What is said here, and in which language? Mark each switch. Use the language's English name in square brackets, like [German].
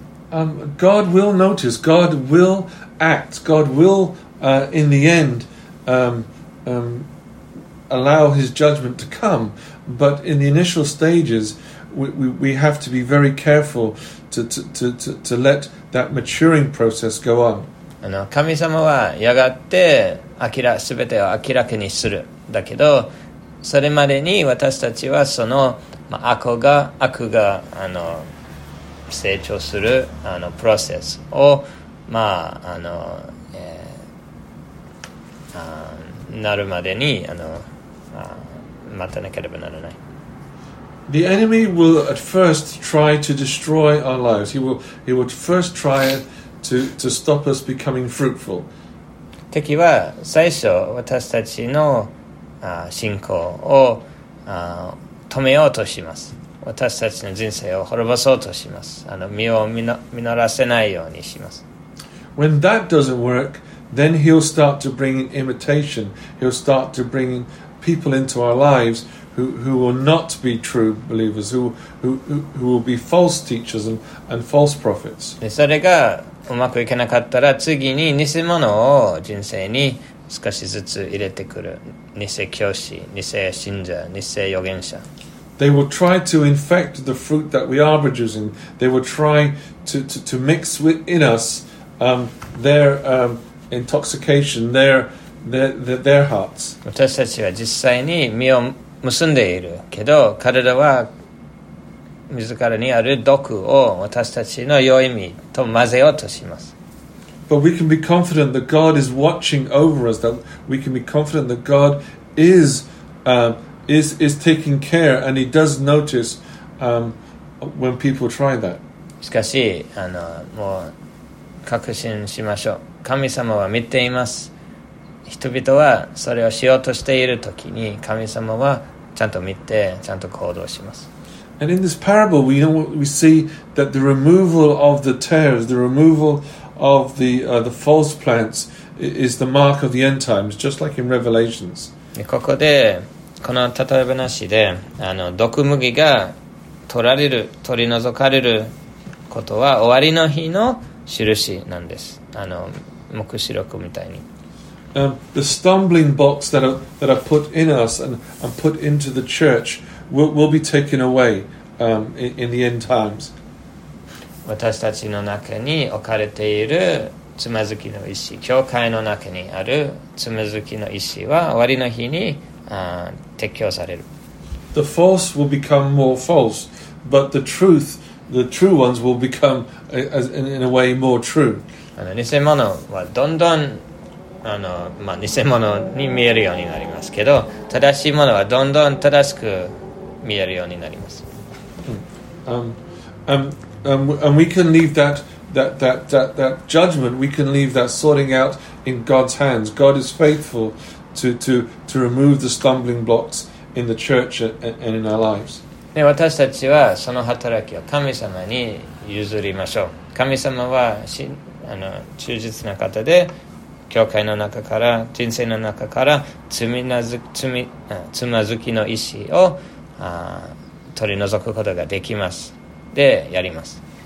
[English] God will notice, God will act, God will in the end allow his judgment to come, but in the initial stages we have to be very careful to let that maturing process go on. [Japanese] 神様はやがて全てを明らかにする。だけどそれまでに私たちはその悪が成長するプロセスを待たなければならない。 [English] The enemy will at first try to destroy our lives. He will first try to stop us becoming fruitful. [Japanese] 敵は最初私たちの信仰を止めようとします。私たちの人生を滅ぼそうとします。身を実らせないようにします。 [English] When that doesn't work, then he'll start to bring in imitation. He'll start to bring in people into our lives who will not be true believers, who will be false teachers and false prophets. [Japanese] それがうまくいけなかったら、次に偽物を人生に少しずつ入れてくる。偽教師、偽信者、偽預言者。 [English] They will try to infect the fruit that we are producing. They will try to mix within us their intoxication, their hearts. [Japanese] 私たちは実際に身を結んでいるけど、彼らは自らにある毒を私たちの良い味と混ぜようとします。 [English] But we can be confident that God is watching over us, that we can be confident that God is taking care, and he does notice when people try that. [Japanese] しかし、もう確信しましょう。神様は見ています。人々はそれをしようとしているときに、神様はちゃんと見て、ちゃんと行動します。 [English] And in this parable, we see that the removal of the tares, the removal of the false plants, is the mark of the end times, just like in Revelations. [Japanese] ここで、この例え話で、毒麦が取られる、取り除かれることは終わりの日の印なんです。黙示録みたいに。 [English] The stumbling blocks that are put in us and put into the church will be taken away in the end times. [Japanese] 私たちの中に置かれているつまずきの石、教会の中にあるつまずきの石は終わりの日に撤去される。 [English] The false will become more false, but the truth, the true ones will become, in a way, more true. [Japanese] 偽物はどんどん偽物に見えるようになりますけど、正しいものはどんどん正しく見えるようになります。 [English] And we can leave that judgment. We can leave that sorting out in God's hands. God is faithful to remove the stumbling blocks in the church and in our lives. [Japanese] 私たちはその働きを神様に譲りましょう。神様は忠実な方で、教会の中から、人生の中から つまずきの意思を取り除くことができます。で、やります。